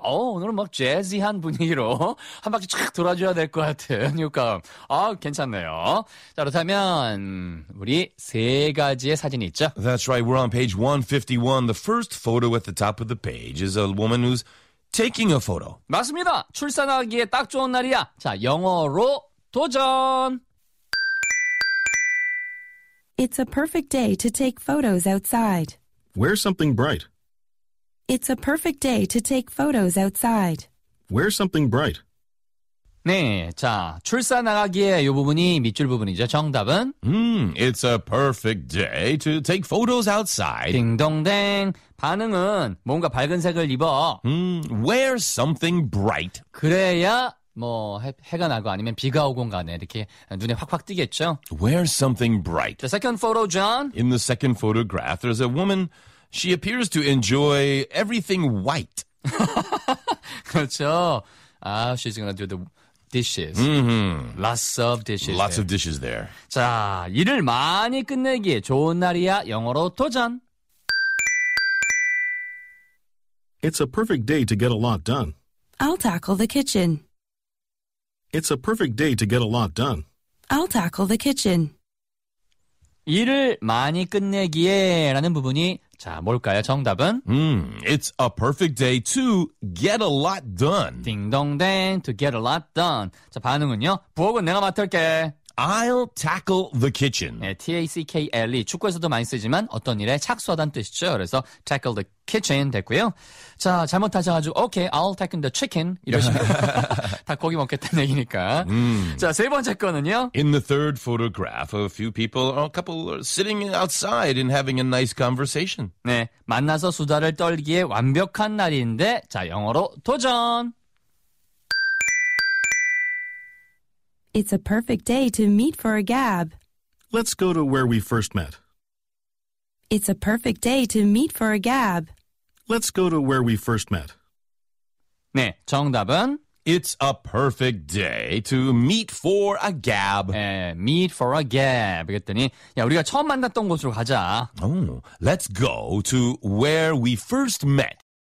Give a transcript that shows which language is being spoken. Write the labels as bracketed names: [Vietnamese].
[Korean] 오늘은 막 재즈한 분위기로 한 바퀴 쫙 돌아줘야 될 것 같은 효과음. 아, 괜찮네요. 자, 그렇다면 우리 세 가지의 사진이 있죠? [English] That's right. We're on page 151. The first photo at the top of the page is a woman who's taking a photo. [Korean] 맞습니다. 출산하기에 딱 좋은 날이야. 자, 영어로 도전! [English] It's a perfect day to take photos outside. Wear something bright. It's a perfect day to take photos outside. Wear something bright. [Korean] 네, 자, 출사 나가기에 이 부분이 밑줄 부분이죠. 정답은? [English] It's a perfect day to take photos outside. [Korean] 딩동댕. 반응은 뭔가 밝은 색을 입어. [English] Wear something bright. [Korean] 그래야 뭐 해가 나고 아니면 비가 오건 간에 이렇게 눈에 확확 띄겠죠. [English] Wear something bright. The second photo, John. In the second photograph, there's a woman... She appears to enjoy everything white. [Korean] 그렇죠. [English] She's going to do the dishes. Mm-hmm. Lots of dishes. Lots of dishes there. [Korean] 자, 일을 많이 끝내기에 좋은 날이야. 영어로 도전. [English] It's a perfect day to get a lot done. I'll tackle the kitchen. It's a perfect day to get a lot done. I'll tackle the kitchen. [Korean] 일을 많이 끝내기에 라는 부분이 자, 뭘까요? 정답은? [English] It's a perfect day to get a lot done. [Korean] 딩동댕, [English] to get a lot done. [Korean] 자, 반응은요? 부엌은 내가 맡을게. [English] I'll tackle the kitchen. [Korean] 네, T-A-C-K-L-E. 축구에서도 많이 쓰지만 어떤 일에 착수하다는 뜻이죠. 그래서 [English] tackle the kitchen [Korean] 됐고요. 자, 잘못하셔가지고 [English] okay, I'll tackle the chicken. [Korean] 이러시면 다 고기 먹겠다는 얘기니까. 자, 세 번째 거는요. [English] In the third photograph, a few people, a couple are sitting outside and having a nice conversation. [Korean] 네, 만나서 수다를 떨기에 완벽한 날인데 자, 영어로 도전! [English] It's a perfect day to meet for a gab. Let's go to where we first met. It's a perfect day to meet for a gab. Let's go to where we first met. [Korean] 네, 정답은? [English] It's a perfect day to meet for a gab. 네, meet for a gab. [Korean] 그랬더니, 야, 우리가 처음 만났던 곳으로 가자. [English] Oh, let's go to where we first met.